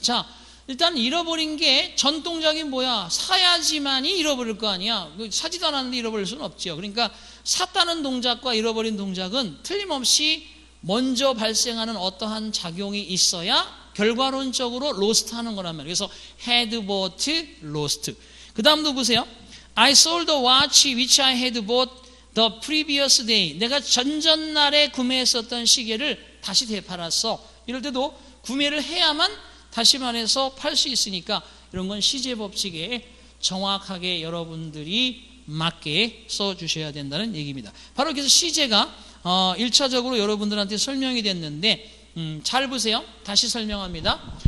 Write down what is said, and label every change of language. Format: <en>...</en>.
<ko>자, 일단 잃어버린 게 전 동작이 뭐야? 사야지만이 잃어버릴 거 아니야. 사지도 않았는데 잃어버릴 수는 없지요. 그러니까 샀다는 동작과 잃어버린 동작은 틀림없이 먼저 발생하는 어떠한 작용이 있어야 결과론적으로 로스트 하는 거란 말이에요. 그래서</ko> <en>had bought lost.</en> <ko>그 다음도 보세요.</ko> <en>I sold the watch which I had bought the previous day.</en> <ko>내가 전전날에 구매했었던 시계를 다시 되팔았어. 이럴 때도 구매를 해야만 다시 말해서 팔 수 있으니까 이런 건 시제 법칙에 정확하게 여러분들이 맞게 써주셔야 된다는 얘기입니다. 바로 그래서 시제가 1차적으로 여러분들한테 설명이 됐는데 잘 보세요. 다시 설명합니다.</ko>